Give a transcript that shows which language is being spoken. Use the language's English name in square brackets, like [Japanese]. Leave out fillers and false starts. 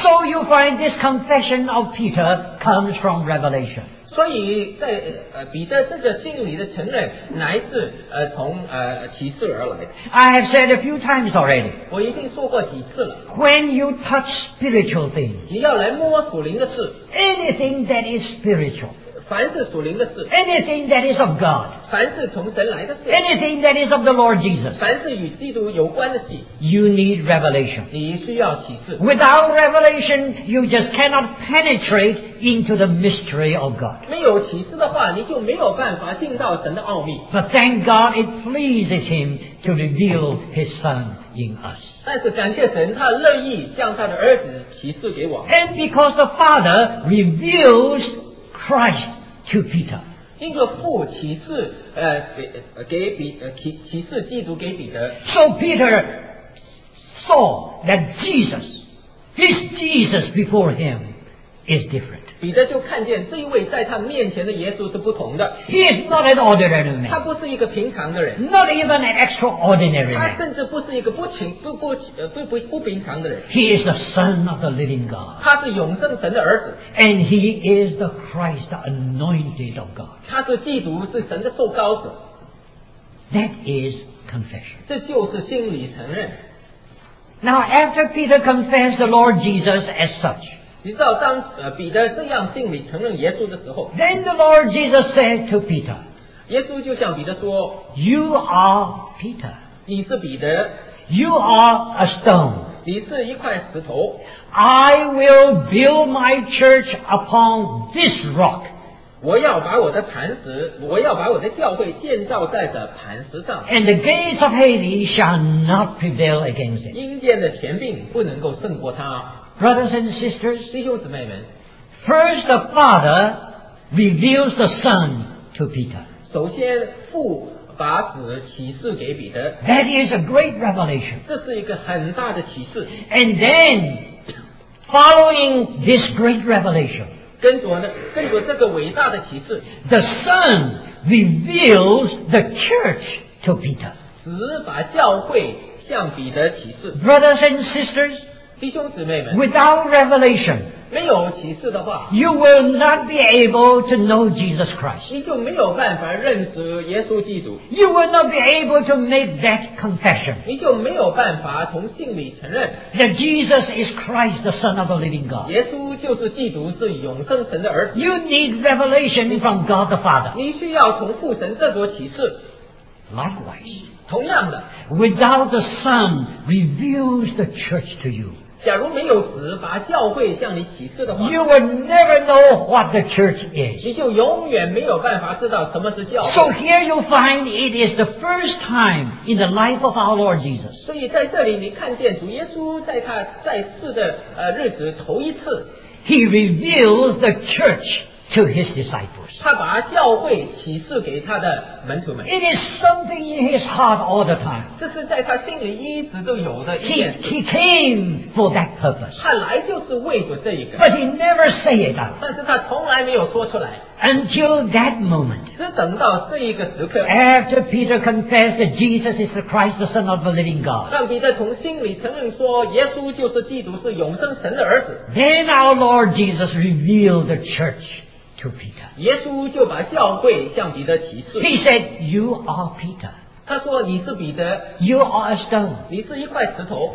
[English] So you find this confession of Peter comes from Revelation. [Chinese] 所以在彼得这个心里的承认乃是启示而来的。 [English] I have said a few times already. [Chinese] 我已经说过几次了。 [English] When you touch spiritual things, [Chinese] 你要来摸属灵的事。 [English] Anything that is spiritual. [Chinese] 凡是属灵的事， [English] anything that is of God， [Chinese] 凡是从神来的事， [English] anything that is of the Lord Jesus， [Chinese] 凡是与基督有关的事， [English] you need revelation， [Chinese] 你需要启示。 [English] Without revelation， you just cannot penetrate into the mystery of God， [Chinese] 没有启示的话，你就没有办法进到神的奥秘。 [English] But thank God it pleases him to reveal his son in us， [Chinese] 但是感谢神，他乐意将他的儿子启示给我。 [English] And because the Father reveals Christ to Peter. [Chinese] 因着父启示给彼启示基督给彼得。 [English] So Peter saw that Jesus, his Jesus before him, is different. [Chinese] 彼得就看见这一位在他面前的耶稣是不同的。 [English] He is not an ordinary man. [Chinese] 他不是一个平常的人。 [English] Not even an extraordinary man. [Chinese] 他甚至不是一个不平常的人。 [English] He is the Son of the Living God. [Chinese] 他是永生神的儿子。 [English] And he is the Christ, the anointed of God. [Chinese] 他是基督，是神的受膏者。 [English] That is confession. [Chinese] 这就是心里承认。 [English] Now after Peter confessed the Lord Jesus as such, [Chinese] 你知道当彼得这样心里承认耶稣的时候， [English] Then the Lord Jesus said to Peter， [Chinese] 耶稣就向彼得说， [English] You are Peter， [Chinese] 你是彼得， [English] You are a stone， [Chinese] 你是一块石头， [English] I will build my church upon this rock， [Chinese] 我要把我的磐石，我要把我的教会建造在这磐石上， [English] And the gates of Hades shall not prevail against it， [Chinese] 阴间的权柄不能够胜过他。 [English] Brothers and sisters, [Chinese] 弟兄姊妹们, [English] first the Father reveals the Son to Peter. [Chinese] 首先父把子启示给彼得。 [English] That is a great revelation. [Chinese] 这是一个很大的启示。 [English] And then, following this great revelation, [Chinese] 跟着这个伟大的启示, [English] the Son reveals the church to Peter. [Chinese] 只把教会向彼得启示。 [English] Brothers and sisters, [Chinese] 弟兄姊妹们, [English] without revelation, [Chinese] 没有启示的话, [English] you will not be able to know Jesus Christ. [Chinese] 你就没有办法认识耶稣基督。 [English] You will not be able to make that confession. [Chinese] 你就没有办法从心里承认, [English] that Jesus is Christ, the Son of the Living God. [Chinese] 耶稣就是基督，是永生神的儿子。 [English] You need revelation from God the Father. [Chinese] 你需要从父神这所启示。 [English] Likewise, [Chinese] 同样的, [English] without the Son reveals the church to you, [Chinese] 假如没有子把教会向你启示的话， [English] you will never know what the church is. [Chinese] 你就永远没有办法知道什么是教会。 [English] So here you find it is the first time in the life of our Lord Jesus. [Chinese] 所以在这里你看见主耶稣在他在世的日子头一次， [English] He reveals the church to his disciples. [Chinese] 他把教会启示给他的门徒们。 [English] It is something in his heart all the time. [Chinese] 这是在他心里一直都有的一件事。 [English] He came for that purpose. [Chinese] 他来就是为了这一个。 [English] But he never said it out. [Chinese] 但是他从来没有说出来。 [English] Until that moment, [Chinese] 是等到这一个时刻， [English] after Peter confessed that Jesus is the Christ, the Son of the Living God, [Chinese] 让彼得从心里承认说耶稣就是基督，是永生神的儿子。 [English] Then our Lord Jesus revealed the churchTo Peter. [Chinese] 耶稣就把教会向彼得启示。 [English] He said, You are Peter. [Chinese] 他说你是彼得。 [English] You are a stone. [Chinese] 你是一块石头。